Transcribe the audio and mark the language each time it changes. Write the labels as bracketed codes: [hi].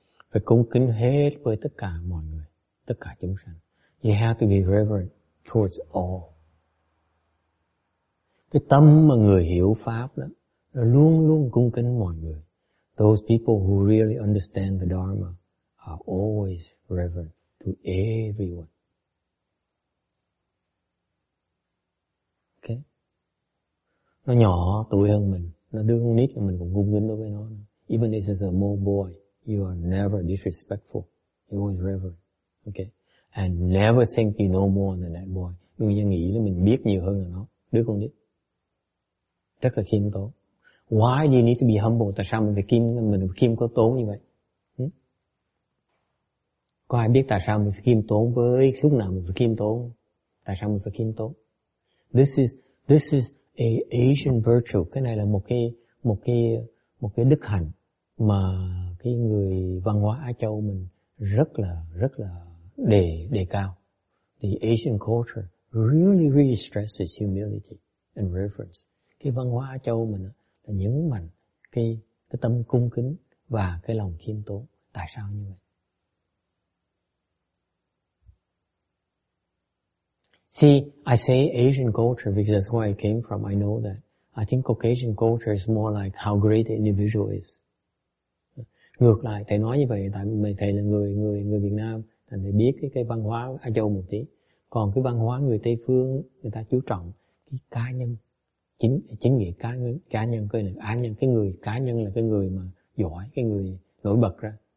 [vi] phải cung kính hết với tất cả mọi người, tất cả chúng sanh. [en] You have to be reverent towards all. [vi] Cái tâm mà người hiểu pháp đó là luôn luôn cung kính mọi người. [en] Those people who really understand the Dharma are always reverent to everyone. [vi] Nó nhỏ tuổi hơn mình, nó đứa con nít, mình cũng cung kính đối với nó. [en] Even if it's a small boy, you are never disrespectful. You always reverent. Okay? And never think you know more than that boy. [vi] Đừng có nghĩ là mình biết nhiều hơn là nó, đứa con nít. Rất là khiêm tốn. [en] Why do you need to be humble? [vi] Tại sao mình phải khiêm có tốn như vậy? Có ai biết tại sao mình phải khiêm tốn với lúc nào mình phải khiêm tốn? Tại sao mình phải khiêm tốn? [en] This is a Asian virtue. [vi] Cái này là một cái đức hạnh mà cái người văn hóa Á Châu mình rất là đề cao. [en] The Asian culture really really stresses humility and reverence. [vi] Cái văn hóa Á Châu mình là nhấn mạnh cái tâm cung kính và cái lòng khiêm tốn. Tại sao như vậy? [en] See, I say Asian culture because that's where I came from. I know that. I think Caucasian culture is more like how great the individual is. [vi] Ngược lại, thầy nói như vậy, tại thầy là người Việt Nam, thầy biết cái văn hóa Á Châu một tí. Còn cái văn hóa người Tây Phương, người ta chú trọng cái cá nhân, chính nghĩa cá nhân, cái người cá nhân là cái người mà giỏi, cái người nổi bật ra.